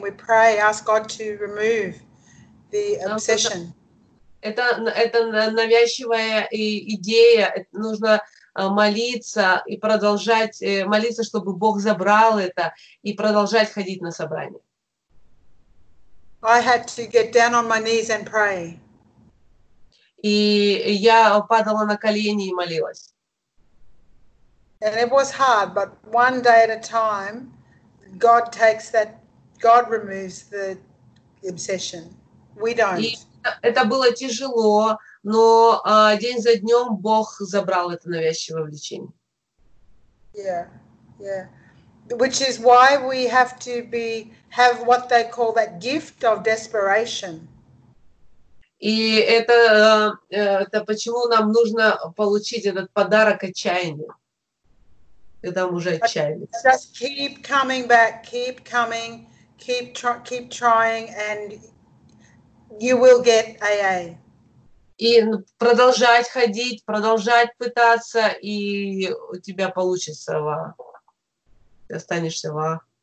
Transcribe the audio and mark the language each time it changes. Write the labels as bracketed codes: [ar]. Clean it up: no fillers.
[en] We pray, ask God to remove the obsession. [ru] Это навязчивая идея. Нужно молиться и продолжать молиться, чтобы Бог забрал это и продолжать ходить на собрание. [en] I had to get down on my knees and pray. [ru] И я падала на колени и молилась. [en] And it was hard, but one day at a time. God takes that, God removes the obsession. We don't. [ru] Это было тяжело, но день за днём Бог забрал это навязчивое влечение. [en] Yeah, yeah. Which is why we have to be have what they call that gift of desperation. [ru] И это почему нам нужно получить этот подарок отчаяния. Когда мы уже отчаялись. [en] Just keep coming back, keep coming, keep trying, and you will get AA. [ru] И продолжать ходить, продолжать пытаться, и у тебя получится, ты останешься в.